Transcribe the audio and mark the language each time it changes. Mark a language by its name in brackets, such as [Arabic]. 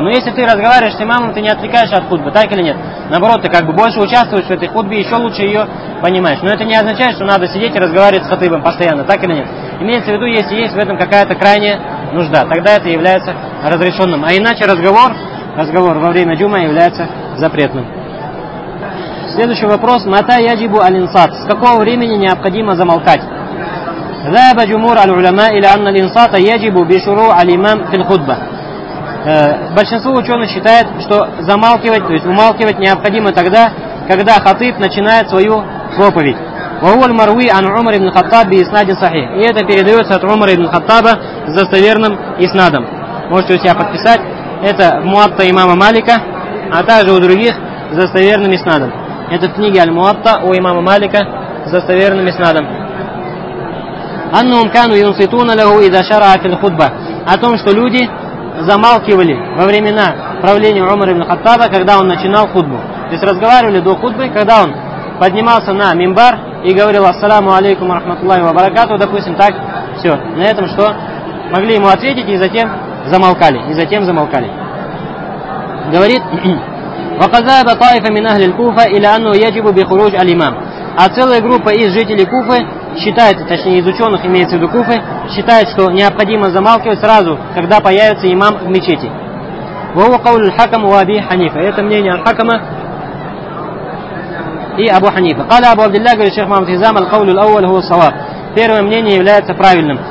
[Russian] Но если ты разговариваешь с имамом, ты не отвлекаешься от хутбы, так или нет? Наоборот, ты как бы больше участвуешь в этой хутбе, еще лучше ее понимаешь. Но это не означает, что надо сидеть и разговаривать с хатыбом постоянно, так или нет? Имеется в виду, если есть в этом какая-то крайняя нужда, тогда это является разрешенным. А иначе разговор во время джума является запретным. Следующий вопрос. [Arabic] Мата яджибу алинсат. [Russian] С какого времени необходимо замолкать? [Arabic] ذهب جمهور العلماء الى ان الانصات يجب بشروع الامام في الخطبه. [Russian] Большинство ученых считает, что замалкивать, то есть умалкивать необходимо тогда, когда хатиб начинает свою проповедь. [Arabic] وقول مروي عن عمر بن الخطاب باسناد صحيح. [Russian] И это передается от Умара ибн Хаттаба с достоверным иснадом. Можете у себя подписать. Это Муатта имама Малика, а также у других с достоверным иснадом. Это в книге Аль-Муатта у имама Малика с достоверным иснадом. [Arabic] أنهم كانوا ينصتون له إذا شرع في الخطبة. [Russian] О том, что люди замалкивали во времена правления Умара ибн Хаттаба, когда он начинал хутбу. То есть разговаривали до хутбы, когда он поднимался на мимбар и говорил [Arabic] «Ассаламу алейкум рахматуллахи ва баракату», [Russian] допустим, так, все. На этом что? Могли ему ответить и затем замолкали. [Arabic] Говорит وقذاب طائفة من أهل الكوفة إلى أنه يجب بخروج الإمام. [Russian] А целая группа из жителей Куфы считает, точнее из ученых имеется в виду Куфы, считает, что необходимо замалкивать сразу, когда появится имам в мечети. [Arabic] Вау каулю аль-хакаму ва аби ханифа. [Russian] Это мнение аль-хакама и абу ханифа. [Arabic] Каля абу абдиллях, [Russian] говорит шейх Мухаммад Хизам, [Arabic] аль-каулю ал-ауаль хуа салав. [Russian] Первое мнение является правильным.